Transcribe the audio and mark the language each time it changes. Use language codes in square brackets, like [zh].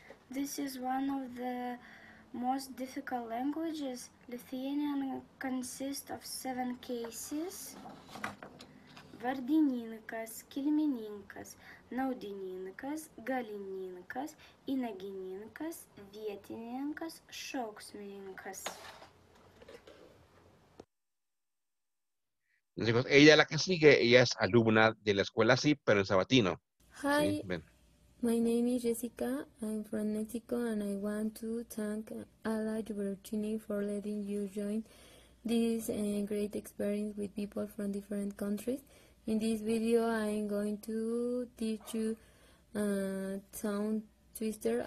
[en] This is one of the most difficult languages. Lithuanian consists of 7 cases. [lt] Vardininkas, kilmininkas, naudininkas, galininkas, inagininkas, vietininkas, šauksmininkas. [es] Ella la que sigue, ella es alumna de la escuela, sí, pero en sabatino. [en] Hi. [es] Sí, ven. [en] My name is Jessica. I'm from Mexico, and I want to thank Alaj Bertini for letting you join this great experience with people from different countries. In this video, I'm going to teach you a tongue twister.